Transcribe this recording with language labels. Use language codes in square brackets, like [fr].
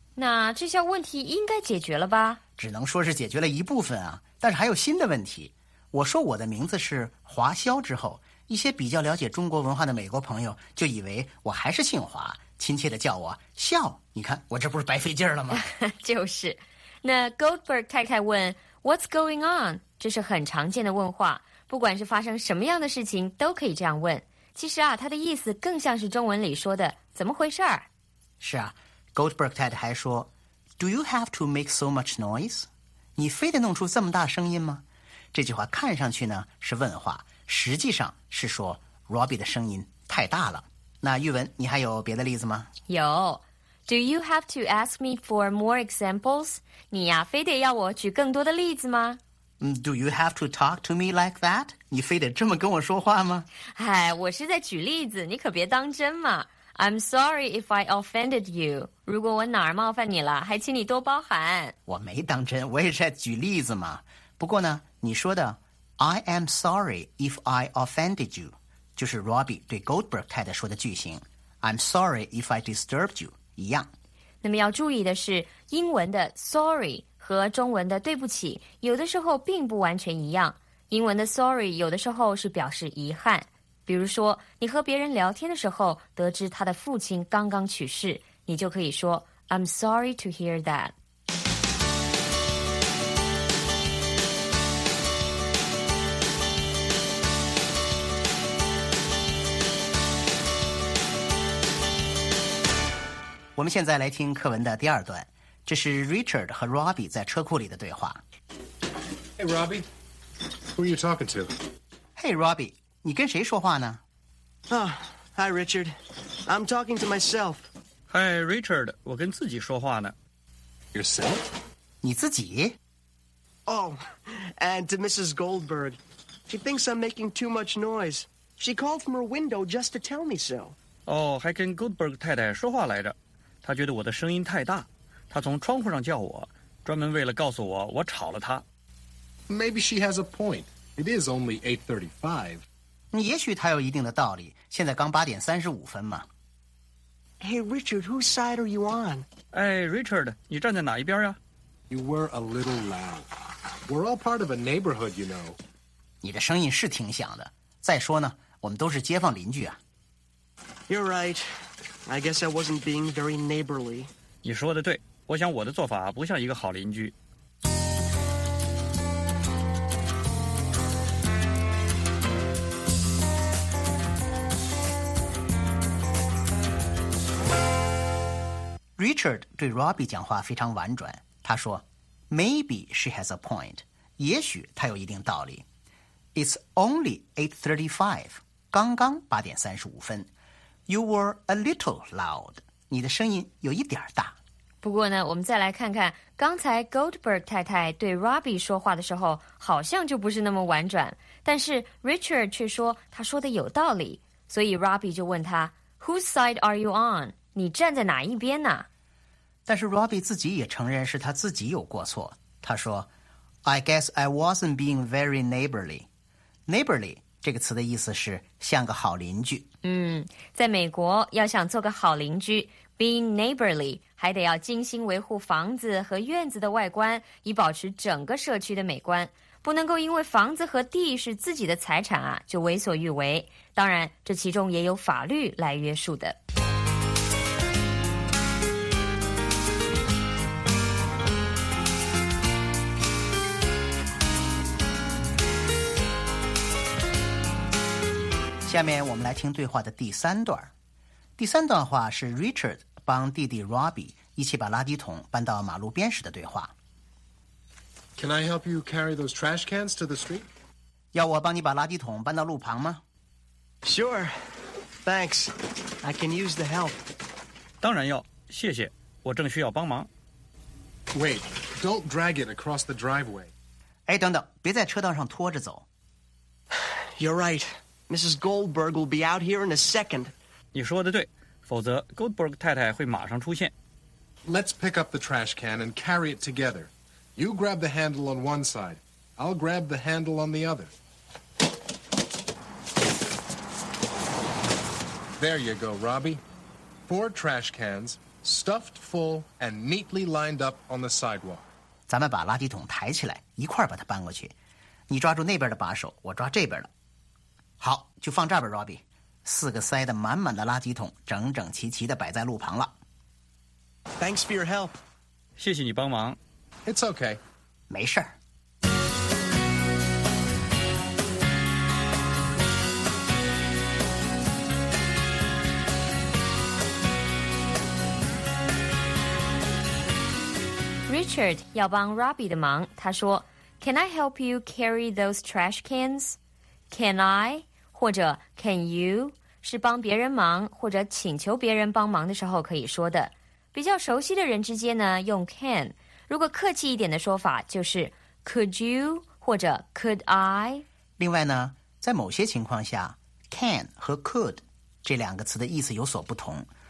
[zh] 那这些问题应该解决了吧？只能说是解决了一部分啊，但是还有新的问题。我说我的名字是华笑之后，一些比较了解中国文化的美国朋友就以为我还是姓华，亲切地叫我笑。你看我这不是白费劲了吗？就是。那 Goldberg 太太问 [en] What's going on？ [zh] 这是很常见的问话，不管是发生什么样的事情都可以这样问。其实啊，他的意思更像是中文里说的怎么回事儿。是啊， Goldberg 太太还说 [en] Do you have to make so much noise? [zh] 你非得弄出这么大声音吗？这句话看上去呢是问话，实际上是说 Robbie 的声音太大了。那玉文，你还有别的例子吗？有。 [en] Do you have to ask me for more examples? [zh] 你呀，非得要我举更多的例子吗？ [en] Do you have to talk to me like that? [zh] 你非得这么跟我说话吗？哎，我是在举例子，你可别当真嘛。 [en] I'm sorry if I offended you. [zh] 如果我哪儿冒犯你了，还请你多包涵。我没当真，我也是在举例子嘛。不过呢，你说的 [en] I am sorry if I offended you [zh] 就是 Robbie 对 Goldberg 太太说的句型， [en] I'm sorry if I disturbed you [zh] 一样。那么要注意的是，英文的 sorry和中文的对不起有的时候并不完全一样。英文的 sorry 有的时候是表示遗憾，比如说你和别人聊天的时候得知他的父亲刚刚去世，你就可以说 [en] I'm sorry to hear that。 [zh] 我们现在来听课文的第二段，这是 Richard 和 Robbie 在车库里的对话。 [en] Hey Robbie, who are you talking to? [zh] Hey Robbie, 你跟谁说话呢？ [en] Hi, Richard. I'm talking to myself. [zh] Hi, Richard. 我跟自己说话呢。 [en] Yourself? [zh] 你自己？ [en] Oh, and to Mrs. Goldberg. She thinks I'm making too much noise. She called from her window just to tell me so. [zh] Oh, 还跟 Goldberg 太太说话来着。她觉得我的声音太大。她从窗户上叫我，专门为了告诉我我吵了她。 [en] Maybe she has a point. It is only 8:35. [zh] 也许他有一定的道理，现在刚8:35嘛。 [en] Hey, Richard, whose side are you on? [zh] Hey, Richard, 你站在哪一边啊？ [en] You were a little loud. We're all part of a neighborhood, you know. [zh] 你的声音是挺响的。再说呢，我们都是街坊邻居啊。 [en] You're right. I guess I wasn't being very neighborly. [zh] 你说的对，我想我的做法不像一个好邻居。 Richard 对 Robbie 讲话非常婉转，他说 [en] Maybe she has a point， [zh] 也许她有一定道理。 [en] It's only 8:35， [zh] 刚刚8:35。 [en] You were a little loud， [zh] 你的声音有一点大。不过呢，我们再来看看刚才 Goldberg 太太对 Robbie 说话的时候好像就不是那么婉转，但是 Richard 却说他说的有道理，所以 Robbie 就问他 [en] Whose side are you on？ [zh] 你站在哪一边呢？但是 Robbie 自己也承认是他自己有过错。他说 [en] I guess I wasn't being very neighborly. [zh] Neighborly 这个词的意思是像个好邻居。嗯，在美国要想做个好邻居， being neighborly 还得要精心维护房子和院子的外观，以保持整个社区的美观。不能够因为房子和地是自己的财产啊，就为所欲为。当然，这其中也有法律来约束的。下面我们来听对话的第三段。第三段话是 Richard 帮弟弟 Robbie 一起把垃圾桶搬到马路边时的对话。 [en] Can I help you carry those trash cans to the street? [zh] 要我帮你把垃圾桶搬到路旁吗？ [en] Sure. Thanks. I can use the help. [zh] 当然要，谢谢，我正需要帮忙。 [en] Wait, don't drag it across the driveway. [zh] 哎，等等，别在车道上拖着走。 [en] You're right. Mrs. Goldberg will be out here in a second. [zh] 你说的对，否则 Goldberg 太太会马上出现。 [en] Let's pick up the trash can and carry it together. You grab the handle on one side. I'll grab the handle on the other. There you go, Robbie. 4 trash cans, stuffed full and neatly lined up on the sidewalk. [zh] 咱们把垃圾桶抬起来，一块把它搬过去。你抓住那边的把手，我抓这边的。好，就放这边 Robbie， 四个塞得满满的垃圾桶整整齐齐地摆在路旁了。 [en] Thanks for your help. [zh] 谢谢你帮忙。 [en] It's okay. [zh] 没事儿。 Richard 要帮 Robbie 的忙，他说 [en] Can I help you carry those trash cans? [zh] Can I? 或者 can you 是帮别人忙或者请求别人帮忙的时候可以说的。比较熟悉的人之间呢，用 can。如果客气一点的说法，就是 could you 或者 could I。另外呢，在某些情况下 ，can 和 could 这两个词的意思有所不同。